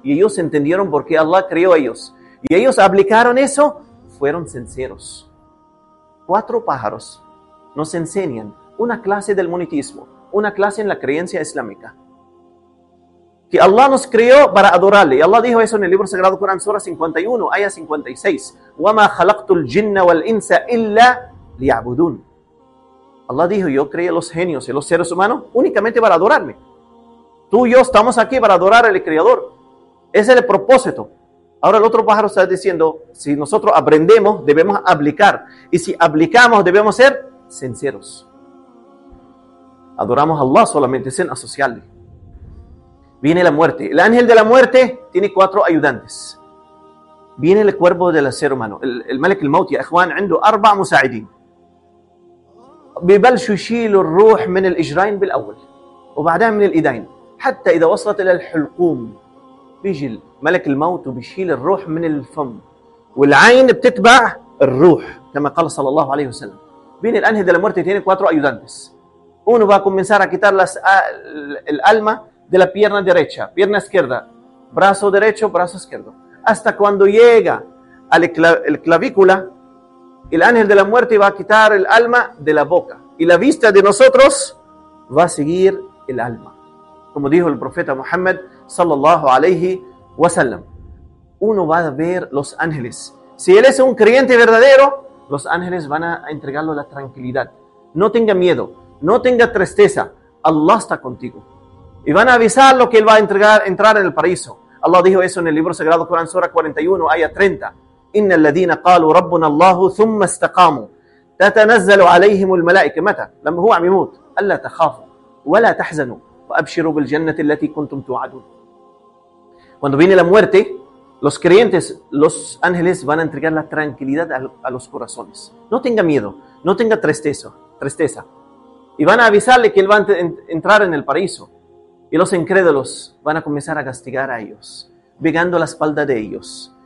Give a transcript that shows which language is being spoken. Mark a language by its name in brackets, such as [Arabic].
[Spanish] Y ellos entendieron por qué Allah creó a ellos. Y ellos aplicaron eso. Fueron sinceros. 4 pájaros nos enseñan una clase del monoteísmo. Una clase en la creencia islámica. Que Allah nos creó para adorarle. Y Allah dijo eso en el libro sagrado Corán, sura 51, ayah 56. [Arabic] وَمَا خَلَقْتُ الْجِنَّ وَالْإِنْسَ إِلَّا Liabudun. [Spanish] Allah dijo, yo creé los genios y los seres humanos únicamente para adorarme. Tú y yo estamos aquí para adorar al Creador. Ese es el propósito. Ahora el otro pájaro está diciendo, si nosotros aprendemos, debemos aplicar. Y si aplicamos, debemos ser sinceros. Adoramos a Allah solamente sin asociarle. Viene la muerte. El ángel de la muerte tiene 4 ayudantes. Viene el cuerpo del ser humano. [Arabic] El Malik al-Maut, ya ikhwan, عنده 4 مساعدين. ببلش يشيل الروح من الإجرين بالأول وبعدها من الإيدين حتى إذا وصلت إلى الحلقوم بيجي ملك الموت وبيشيل الروح من الفم والعين بتتبع الروح كما قال صلى الله عليه وسلم بين الأنهى [Spanish] de la muerte tiene 4 ayudantes. Uno va a comenzar a quitar el alma de la pierna derecha, pierna izquierda, brazo derecho, brazo izquierdo, hasta cuando llega a la clavícula. El ángel de la muerte va a quitar el alma de la boca. Y la vista de nosotros va a seguir el alma. Como dijo el profeta Muhammad, sallallahu alayhi wa sallam. Uno va a ver los ángeles. Si él es un creyente verdadero, los ángeles van a entregarlo la tranquilidad. No tenga miedo, no tenga tristeza. Allah está contigo. Y van a avisarlo que él va a entrar en el paraíso. Allah dijo eso en el libro sagrado Corán, sura 41, ayah 30. [Arabic] إن الذين قالوا ربنا الله ثم استقاموا تتنزل عليهم الملائكة متى لما هو عم يموت ألا تخافوا ولا تحزنوا وأبشروا بالجنة التي كنتم توعدون. [Spanish] Cuando viene la muerte, los creyentes, los ángeles van a entregar la tranquilidad a los corazones. No tenga miedo, no tenga tristeza. Y van a avisarle que él va a entrar en el paraíso. Y los incrédulos van a comenzar a castigar a ellos, pegando la espalda de ellos.